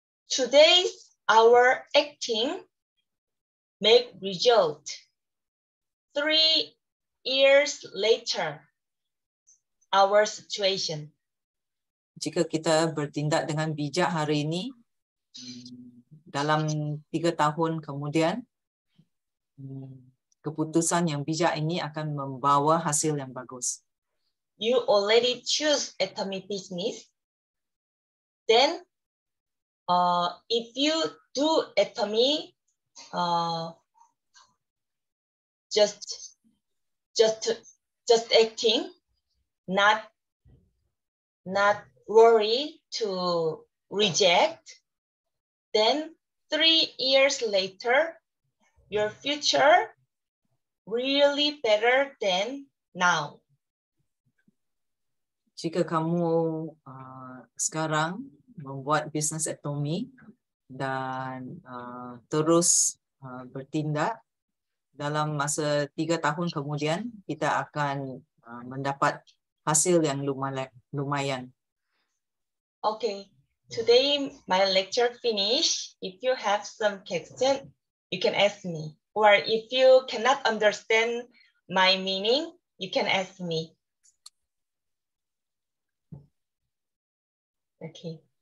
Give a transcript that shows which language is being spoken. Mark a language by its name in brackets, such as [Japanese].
[English] Today's our acting make result 3 years later our situation. [Malay] Jika kita bertindak dengan bijak hari ini, dalam 3 tahun kemudian, keputusan yang bijak ini akan membawa hasil yang bagus. [English] You already choose Atomy Business. Then, if you do Atomy, just acting, not worry to reject, then 3 years later, your future really better than now. [Malay] Jika kamu sekarang membuat bisnes Atomy dan terus bertindak, dalam masa 3 tahun kemudian, kita akan mendapat hasil yang lumayan. [English] Okay. Today my lecture finish. If you have some question, you can ask me. Or if you cannot understand my meaning, you can ask me. Okay.